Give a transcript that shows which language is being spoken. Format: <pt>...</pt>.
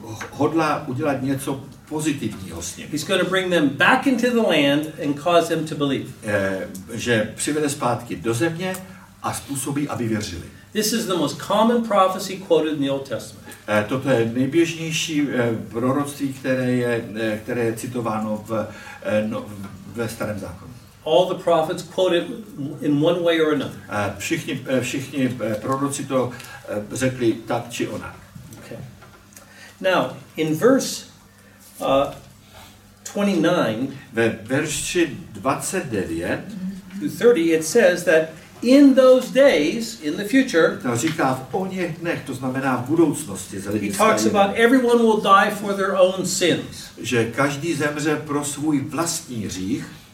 <cs>Hodlá udělat něco pozitivního s nimi.</cs> <en>He's going to bring them back into the land and cause them to believe.</en> <cs>Že přivede zpátky do země a způsobí, aby věřili.</cs> <en>This is the most common prophecy quoted in the Old Testament.</en> <cs>Toto je nejběžnější proroctví, které je citováno ve starém zákonu.</cs> <en>All the prophets quoted in one way or another.</en> <cs>Všichni proroci to řekli tak či onak.</cs> <en>Okay. Now, in verse 29,</en> <cs>verši 29</cs> <en>to 30, it says that in those days, in the future,</en> <cs>to říká v oněch dnech, to znamená v budoucnosti.</cs> <en>He talks about everyone will die for their own sins.</en> <cs>Že každý zemře pro svůj vlastní hřích.</cs>